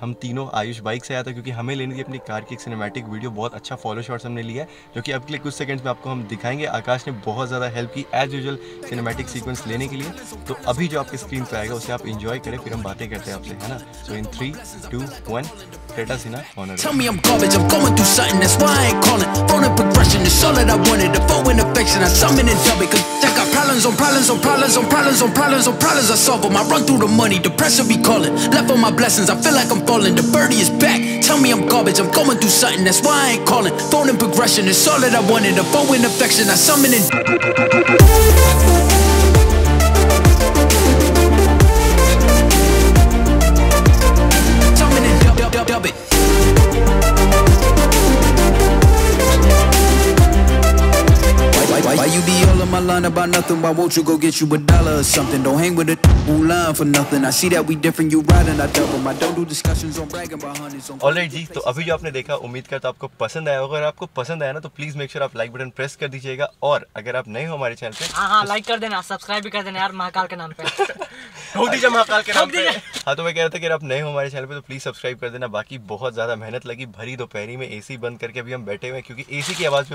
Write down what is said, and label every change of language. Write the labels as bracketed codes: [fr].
[hi] हम तीनों, आयुष बाइक से आया था क्योंकि हमें लेनी थी अपनी कार की एक सिनेमैटिक वीडियो। बहुत अच्छा फॉलो शॉट्स हमने लिया है जो कि अगले कुछ सेकंड्स में आपको हम दिखाएंगे। आकाश ने बहुत ज़्यादा हेल्प की एज यूजुअल सिनेमैटिक सीक्वेंस लेने के लिए। तो अभी जो आपके स्क्रीन पर आएगा उसे आप इंजॉय करें, फिर हम बातें करते हैं आपसे, है ना। सो इन 3, 2, 1 Creta Sinha honour. [en] Tell me I'm garbage, I'm going through something, that's why I ain't calling. Phone and progression is all that I wanted. The phone and affection, I summon and dub it. Cause I got problems on problems on problems on problems on problems on problems I solve them. I run through the money, the pressure be calling. Left on my blessings, I feel like I'm falling. The birdie is back. Tell me I'm garbage, I'm going through something, that's why I ain't calling. Phone and progression is all that I wanted. The phone and affection, I summon and about nothing. Why won't you go get you a dollar or something? Don't hang with a fool line for nothing. I see that we different, you riding, I double my don't do discussions on bragging about hundreds on. [hi] All right जी, तो अभी जो आपने देखा उम्मीद करता आपको पसंद आया होगा। अगर आपको पसंद आया ना तो प्लीज मेक श्योर आप लाइक बटन प्रेस कर दीजिएगा, और अगर आप नए हो हमारे चैनल पे हां लाइक कर देना, सब्सक्राइब भी कर देना यार, महाकाल के नाम पे ढोक दीजिए महाकाल के नाम पे। हाँ, तो मैं कह रहा था कि अगर आप नए हो हमारे चैनल पे तो प्लीज़ सब्सक्राइब कर देना। बाकी बहुत ज़्यादा मेहनत लगी, भरी दोपहरी में एसी बंद करके अभी हम बैठे हुए हैं क्योंकि एसी की आवाज़ पे